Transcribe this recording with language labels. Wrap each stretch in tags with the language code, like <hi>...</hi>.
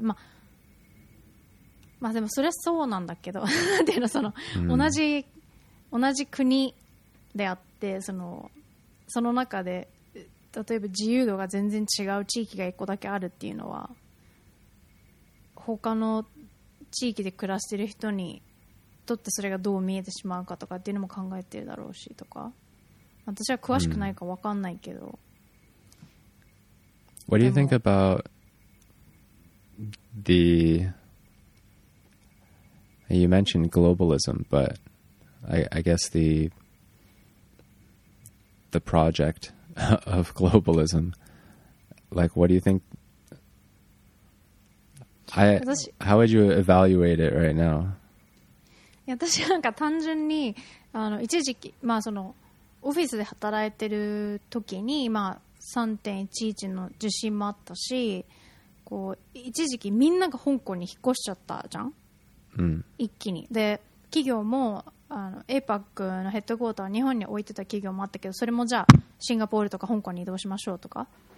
<ja>まあまあでもそれはそうなんだけどでのその同じ国であって、その中で例えば自由度が全然違う地域が一個だけあるっていうのは、他の地域で暮らしている人にとってそれがどう見えてしまうかとかっていうのも考えてるだろうしとか、私は詳しくないか分かんないけど、う</ja> <en>ん、What do you think about the you mentioned globalism, but I guess the project of globalism, like what do you think, how would you evaluate it right now?</en> <ja>いや、私なんか単純に一時期、まあそのオフィスで働いてる時に、まあ 3.11 の地震もあったし、こう一時期みんなが香港に引っ越しちゃったじゃん、うん、一気に。で企業もAPAC のヘッドクォーターを日本に置いてた企業もあったけど、それもじゃあシンガポールとか香港に移動しましょうとか、</ja>